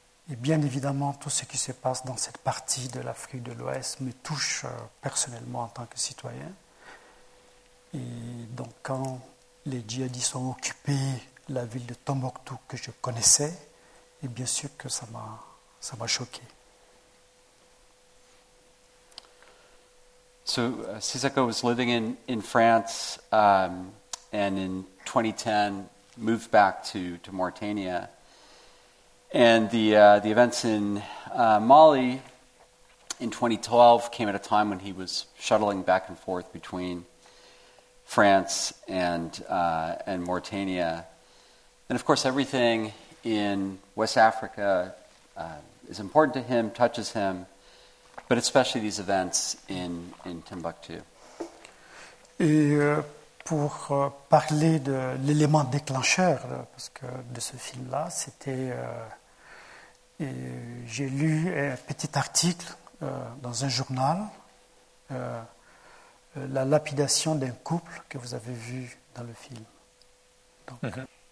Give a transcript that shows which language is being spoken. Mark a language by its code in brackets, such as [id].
[fr] Et bien évidemment, tout ce qui se passe dans cette partie de l'Afrique de l'Ouest me touche personnellement en tant que citoyen. Et donc quand les djihadistes ont occupé la ville de Tombouctou que je connaissais, et bien sûr que ça m'a choqué. [en] So Sisako was living in France and in 2010 moved back to Mauritania. And the events in Mali in 2012 came at a time when he was shuttling back and forth between France and Mauritania. And of course, everything in West Africa is important to him, touches him, but especially these events in Timbuktu. [fr] Et pour parler de l'élément déclencheur parce que de ce film-là, c'était... Et j'ai lu un petit article dans un journal, la lapidation d'un couple que vous avez vu dans le film. Donc, mm-hmm.